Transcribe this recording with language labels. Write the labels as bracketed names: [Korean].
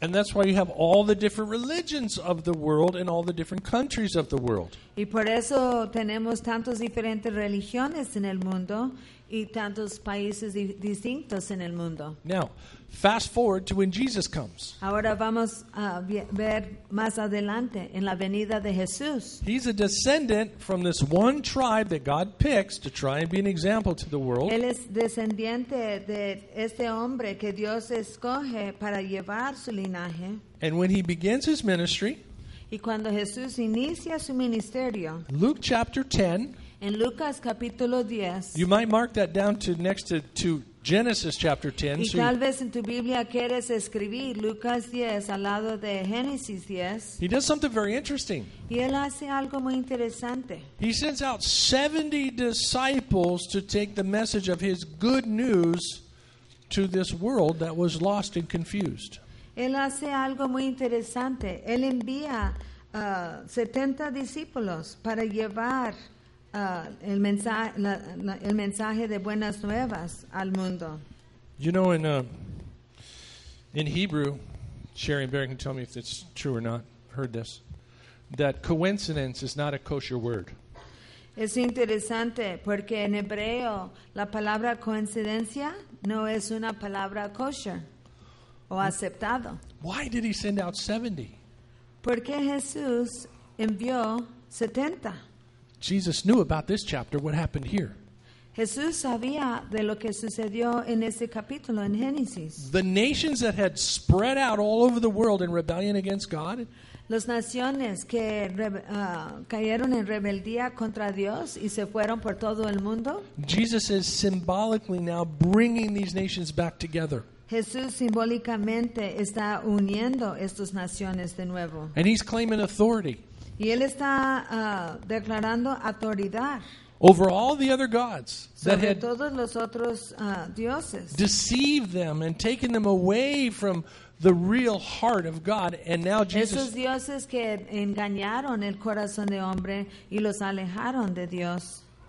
[English] And that's why you have all the different religions of the world and all the different countries of the world. [Spanish] Y por eso tenemos tantos diferentes religiones en el mundo y tantos países distintos en el mundo. [English] Now, fast forward to when Jesus comes. [Spanish] Ahora vamos a ver más adelante en la venida de Jesús. [English] He's a descendant from this one tribe that God picks to try and be an example to the world. [Spanish] Él es descendiente de este hombre que Dios escoge para llevar su linaje. [English] And when he begins his ministry, [Spanish] y cuando Jesús inicia su ministerio, [English] Luke chapter 10, [Spanish] en Lucas capítulo 10, [English] you might mark that down to next to Genesis chapter 10. [Spanish] Y tal vez en tu Biblia quieres escribir Lucas 10 al lado de Génesis 10. [English] He does something very interesting. [Spanish] Y él hace algo muy interesante. [English] He sends out 70 disciples to take the message of his good news to this world that was lost and confused. [Spanish] Él hace algo muy interesante. Él envía 70 discípulos para llevar el mensaje de buenas nuevas al mundo. [English] You know, in Hebrew, Sherry and Barry can tell me if it's true or not, heard this, that coincidence is not a kosher word. [Spanish] Es interesante porque en hebreo la palabra coincidencia no es una palabra kosher o aceptado. [English] Why did he send out 70? [Spanish] Porque Jesús envió 70. [English] Jesus knew about this chapter, what happened here. [Spanish] Jesús sabía de lo que sucedió en ese capítulo en Génesis. [English] The nations that had spread out all over the world in rebellion against God. [Spanish] Las naciones que cayeron en rebeldía contra Dios y se fueron por todo el mundo. [English] Jesus is symbolically now bringing these nations back together. [Spanish] Jesús simbólicamente está uniendo estas naciones de nuevo. [English] And he's claiming authority. [Spanish] Y él está declarando autoridad [English] over all the other gods that had [Spanish] todos los otros, dioses. [English] Deceived them and taken them away from the real heart of God, and now Jesus. [Spanish] Esos dioses que engañaron el corazón de hombre y los alejaron de Dios.